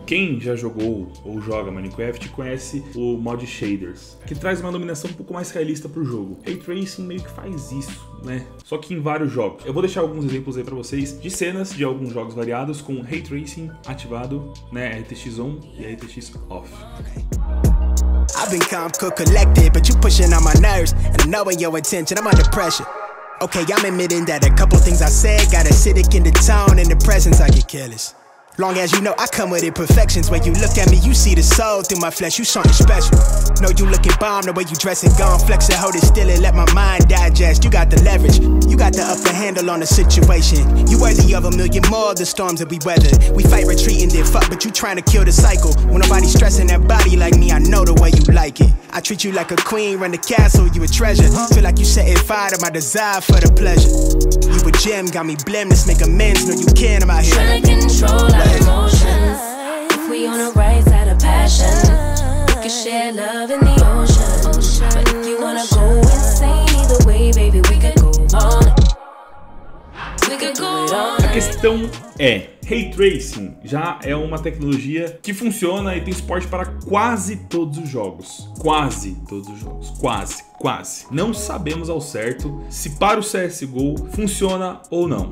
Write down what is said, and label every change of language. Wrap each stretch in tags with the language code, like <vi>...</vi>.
<pt>Quem já jogou ou joga Minecraft conhece o mod Shaders, que traz uma iluminação um pouco mais realista pro jogo. Ray Tracing meio que faz isso, né? Só que em vários jogos. Eu vou deixar alguns exemplos aí pra vocês de cenas de alguns jogos variados com Ray Tracing ativado, né? RTX On e RTX Off.</pt> <en>I've been calm, cool, collected, but you pushing on my nerves and knowing your intention, I'm under pressure. Okay, I'm admitting that a couple things I said got acidic in the tone and the presence, I get careless. Long as you know I come with imperfections. When you look at me, you see the soul through my flesh. You something special. Know you looking bomb, the way you dress and gone. Flex it, hold it still and let my mind digest. You got the leverage, you got the upper handle on the situation. You worthy of a million more of the storms that we weather. We fight retreating, then fuck, but you trying to kill the cycle. When nobody's stressing that body like me, I know the way you like it. I treat you like a queen, run the castle, you a treasure. Feel like you setting fire to my desire for the pleasure. You a gem, got me blameless, make amends. Know you can, I'm out here. Trying to control our emotions. If we on a rise out of passion, we can share love in the ocean. But if you wanna go insane, either way, baby, we could go on. We could go on.</en> <pt>A questão é: Ray Tracing já é uma tecnologia que funciona e tem suporte para quase todos os jogos. Quase todos os jogos. Quase. Não sabemos ao certo se para o CSGO funciona ou não.</pt>